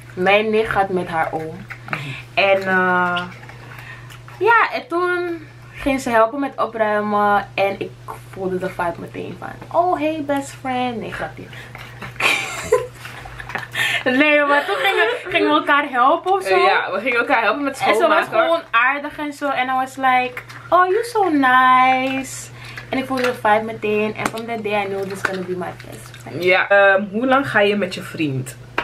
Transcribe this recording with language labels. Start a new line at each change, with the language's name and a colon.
Dutch: Mijn nicht gaat met haar oom. En en toen ging ze helpen met opruimen. En ik voelde de vibe meteen van,
English: oh hey best friend.
Dutch: Nee, grapje. Nee, maar toen gingen we elkaar helpen of zo. Ja, we gingen elkaar helpen met schoonmaken. En ze was gewoon aardig en zo. En
English: I was like, oh you're so nice.
Dutch: En ik voelde de vibe meteen. En
English: from that day I knew this is gonna be my best friend.
Dutch: Ja, hoe lang ga je met je vriend?